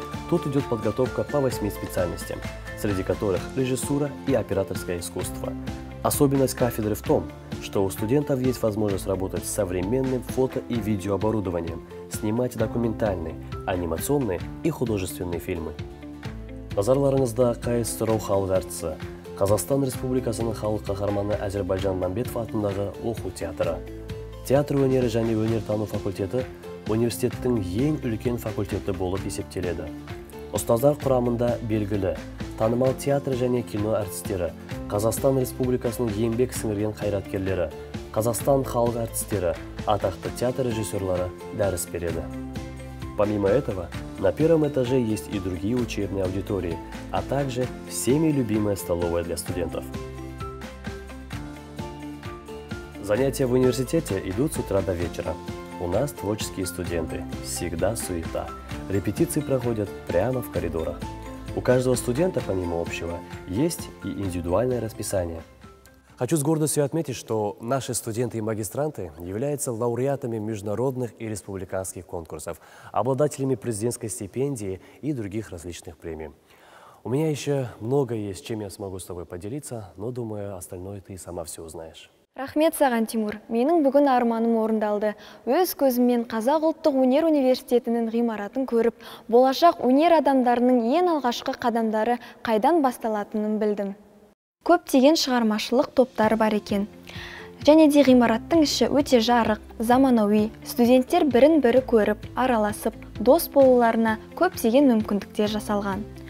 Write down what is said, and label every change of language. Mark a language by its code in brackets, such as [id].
[ru] Тут идет подготовка по 8 специальностям, среди которых режиссура и операторское искусство. Особенность кафедры в том, что у студентов есть возможность работать с современным фото- и видеооборудованием, снимать документальные, анимационные и художественные фильмы. [kk] Назарларыңызда КСРУ халық әртісі, Қазақстан Республикасының халық қаһарманы Әзірбайжан Мамбетов атындағы оқу театры. Театр өнері және өнертану факультеті университеттің ең үлкен факультеті болып есептеледі. Остаздар Курамында Бергілі, танымал театр және кино артистері, Казахстан Республикасының еңбек сіңірген қайраткерлері, Казахстан халық артистері, атақты театр режиссерлары дәріс береді. [ru] Помимо этого, на первом этаже есть и другие учебные аудитории, а также всеми любимая столовая для студентов. Занятия в университете идут с утра до вечера. У нас творческие студенты, всегда суета. Репетиции проходят прямо в коридорах. У каждого студента, помимо общего, есть и индивидуальное расписание. Хочу с гордостью отметить, что наши студенты и магистранты являются лауреатами международных и республиканских конкурсов, обладателями президентской стипендии и других различных премий. У меня еще много есть, чем я смогу с тобой поделиться, но, думаю, остальное ты сама все узнаешь. [kk] Рахмет саған, Тимур. Менің бүгін арманым орындалды. Өз көзіммен Қазақ ұлттық өнер университетінің ғимаратын көріп, болашақ өнер адамдарының ең алғашқы қадамдары қайдан басталатынын білдім. Көп деген шығармашылық топтары бар екен. Және де ғимараттың іші өте жарық, заманауи, студенттер бірін-бірі көріп, араласып, дос болуларына көп деген мүмкіндіктер жасалған.